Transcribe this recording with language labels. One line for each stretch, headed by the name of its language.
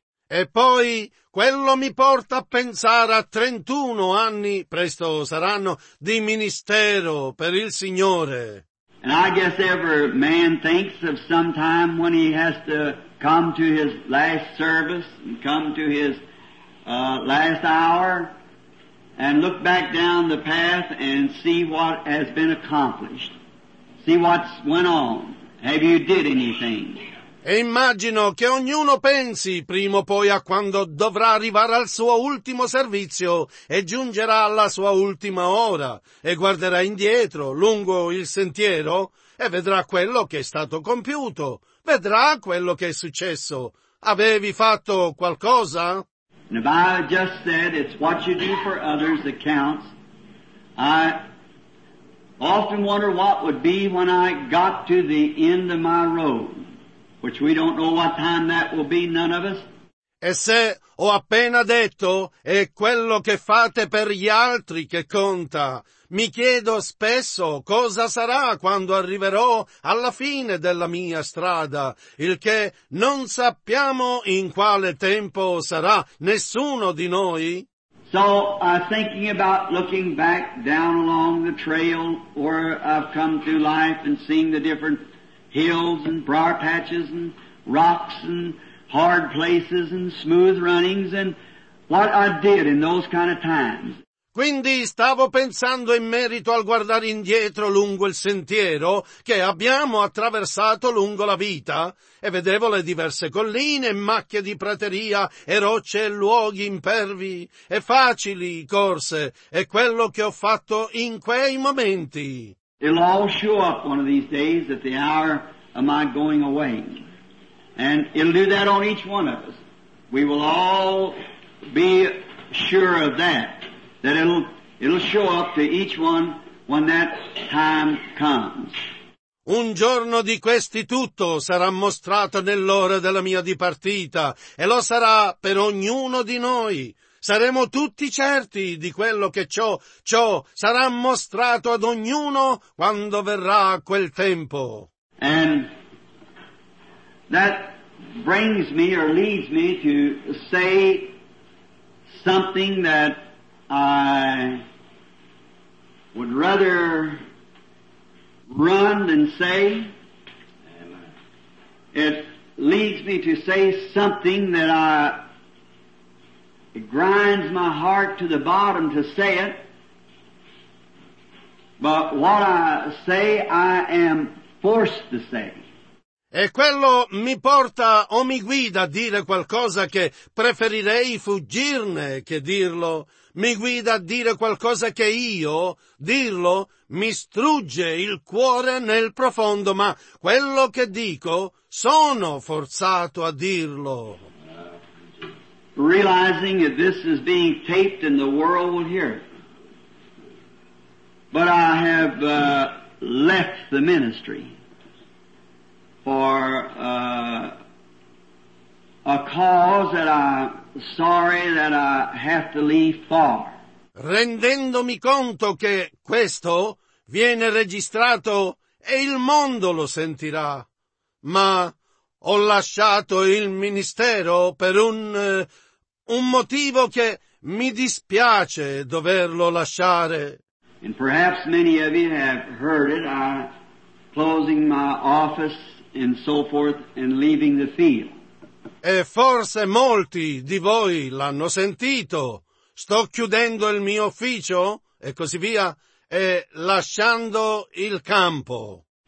Italian: E poi quello mi porta a pensare a 31 anni, presto saranno, di ministero per il Signore.
English: And I guess every man thinks of some time when he has to come to his last service and come to his last hour and look back down the path and see what has been accomplished. See what's went on. Have you did anything?
Italian: E immagino che ognuno pensi prima o poi a quando dovrà arrivare al suo ultimo servizio e giungerà alla sua ultima ora e guarderà indietro lungo il sentiero e vedrà quello che è stato compiuto, vedrà quello che è successo. Avevi fatto qualcosa?
English: And if I just said it's what you do for others that counts, I often wonder what would be when I got to the end of my road. Which we don't know what time that will be, none of us.
Italian: E se ho appena detto, è quello che fate per gli altri che conta. Mi chiedo spesso cosa sarà quando arriverò alla fine della mia strada, il che non sappiamo in quale tempo sarà nessuno di noi.
English: So, thinking about looking back down along the trail where I've come through life and seeing the different hills and briar patches and rocks and hard places and smooth runnings and what I did in those kind of times.
Italian: Quindi stavo pensando in merito al guardare indietro lungo il sentiero che abbiamo attraversato lungo la vita e vedevo le diverse colline, macchie di prateria e rocce e luoghi impervi e facili corse e quello che ho fatto in quei momenti.
English: It'll all show up one of these days at the hour of my going away. And it'll do that on each one of us. We will all be sure of that, that it'll show up to each one when that time comes.
Italian: Un giorno di questi tutto sarà mostrato nell'ora della mia dipartita, e lo sarà per ognuno di noi. Saremo tutti certi di quello che ciò sarà mostrato ad ognuno quando verrà quel tempo.
English: And that brings me or leads me to say something that I would rather run than say. It leads me to say something that it grinds my heart to the bottom to say it, but what I say, I am forced to say.
Italian: E quello mi porta o mi guida a dire qualcosa che preferirei fuggirne che dirlo. Mi guida a dire qualcosa che io, dirlo, mi strugge il cuore nel profondo, ma quello che dico, sono forzato a dirlo.
English: Realizing that this is being taped and the world will hear it. But I have left the ministry. for a cause that I'm sorry that I have to leave for.
Italian: Rendendomi conto che questo viene registrato e il mondo lo sentirà, ma ho lasciato il ministero per un motivo che mi dispiace doverlo lasciare.
English: And perhaps many of you have heard it, I'm closing my office and so forth and leaving the field.
Italian: E forse molti di voi l'hanno sentito. Sto chiudendo il mio ufficio e così via e lasciando il campo.